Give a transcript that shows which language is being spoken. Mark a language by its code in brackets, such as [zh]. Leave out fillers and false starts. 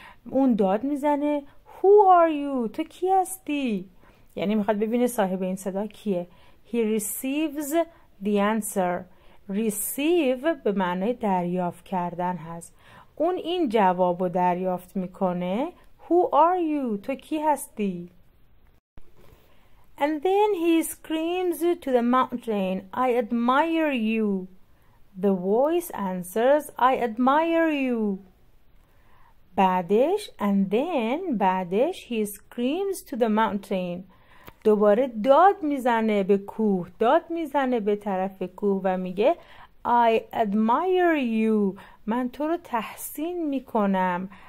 [fa] اون داد میزنه [en] who are you، [fa] تو کی هستی، یعنی میخواد ببینه صاحب این صدا کیه. [en] he receives the answer. [fa] receive به معنای دریافت کردن هست. اون این جواب رو دریافت میکنه [en] who are you، [fa] تو کی هستی. [en] and then he screams to the mountain I admire you. the voice answers I admire you. [fa] بعدش، [en] and then، [fa] بعدش [en] he screams to the mountain، [fa] دوباره داد میزنه به کوه، داد میزنه به طرف کوه و میگه [en] I admire you، [fa] من تو رو تحسین میکنم.